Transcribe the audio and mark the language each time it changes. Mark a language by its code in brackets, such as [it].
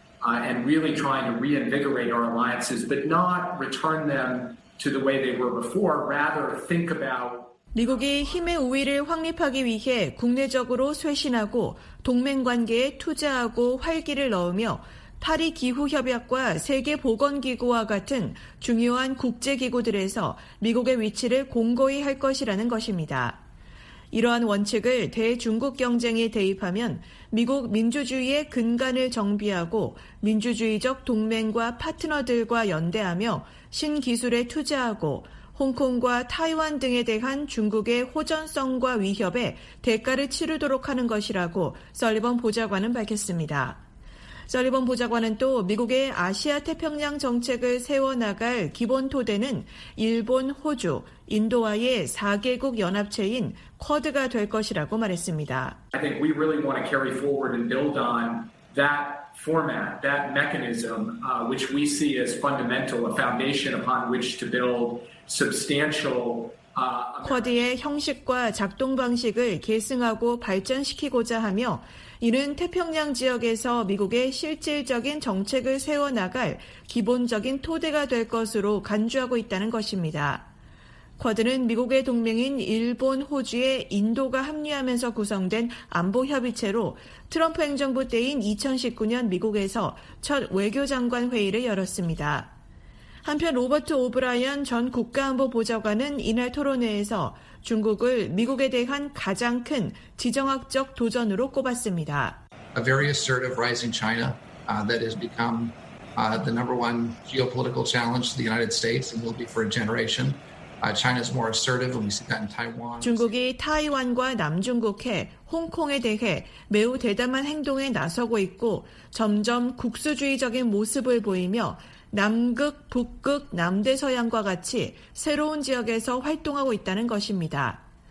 [en] And really trying to reinvigorate our alliances, but not return them to the way they were before. Rather, think about. [ko] 미국이 힘의 우위를 확립하기 위해 국내적으로 쇄신하고 동맹 관계에 투자하고 활기를 넣으며 파리 기후 협약과 세계 보건 기구와 같은 중요한 국제 기구들에서 미국의 위치를 공고히 할 것이라는 것입니다. 이러한 원칙을 대중국 경쟁에 대입하면 미국 민주주의의 근간을 정비하고 민주주의적 동맹과 파트너들과 연대하며 신기술에 투자하고 홍콩과 타이완 등에 대한 중국의 호전성과 위협에 대가를 치르도록 하는 것이라고 설리번 보좌관은 밝혔습니다. 설리번 보좌관은 또 미국의 아시아 태평양 정책을 세워나갈 기본 토대는 일본, 호주, 인도와의 4개국 연합체인 쿼드가 될 것이라고 말했습니다. [en] I think we really want to carry forward and build on that format, that mechanism, which we see as fundamental, a foundation upon which to build substantial. [ko] 쿼드의 형식과 작동 방식을 계승하고 발전시키고자 하며 이는 태평양 지역에서 미국의 실질적인 정책을 세워나갈 기본적인 토대가 될 것으로 간주하고 있다는 것입니다. 쿼드는 미국의 동맹인 일본, 호주에 인도가 합류하면서 구성된 안보협의체로 트럼프 행정부 때인 2019년 미국에서 첫 외교장관 회의를 열었습니다. 한편 로버트 오브라이언 전 국가안보보좌관은 이날 토론회에서 중국을 미국에 대한 가장 큰 지정학적 도전으로 꼽았습니다. [en] A very assertive rising China that has become the number one geopolitical challenge to the United States and will be for a generation. China is more assertive and we see that in Taiwan. [ko] 중국이 타이완과 남중국해, 홍콩에 대해 매우 대담한 행동에 나서고 있고 점점 국수주의적인 모습을 보이며 남극, 북극, 남대서양과 같이 새로운 지역에서 활동하고 있다는 것입니다.